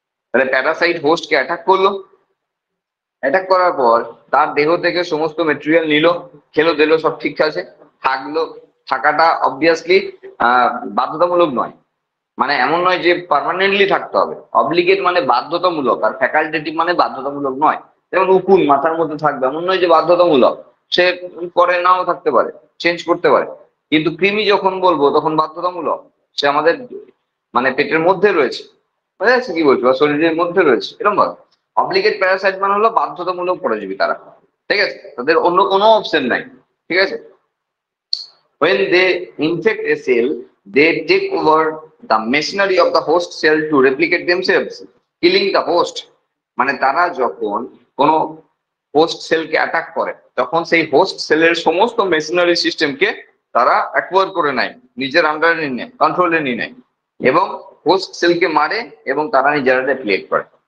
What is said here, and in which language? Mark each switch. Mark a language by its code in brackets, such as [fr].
[bn] তাহলে Parasite হোস্টকে attack করলো, attack করার পর তার দেহ থেকে সমস্ত মেটেরিয়াল নিল, খেলো দেলো সব ঠিক আছে, থাকলো, থাকাটা অবভিয়াসলি বাধ্যতামূলক নয়, মানে এমন নয় যে পার্মানেন্টলি থাকতে হবে, অবলিগেট মানে বাধ্যতামূলক, আর ফ্যাকাল্টেটিভ মানে বাধ্যতামূলক নয়, যেমন উকুন মাথার মধ্যে থাকবে এমন নয় যে বাধ্যতামূলক, সে করে নাও থাকতে পারে, চেঞ্জ করতে পারে, কিন্তু কৃমি যখন বলবো তখন বাধ্যতামূলক, সে আমাদের মানে পেটের মধ্যে রয়েছে, বুঝা যাচ্ছে কি বলছো, বা শরীরের মধ্যে রয়েছে, এরকম ভাবে অবলিগেট প্যারাসাইট মানে হলো বাধ্যতামূলক পরজীবী তারা, ঠিক আছে, তাদের অন্য কোনো অপশন নাই, ঠিক আছে। [en] When they infect a cell, they take over the machinery of the host cell to replicate themselves, killing the host. [bn] মানে তারা যখন কোনো হোস্ট সেলকে অ্যাটাক করে, তখন সেই হোস্ট সেলের সমস্ত মেশিনারি সিস্টেমকে তারা অ্যাকোয়ার করে নেয়, নিজের আন্ডারে নিয়ে নেয়, কন্ট্রোলে নিয়ে নেয়, এবং হোস্ট সেলকে মারে এবং তারা নিজেরা রেপ্লিকেট করে।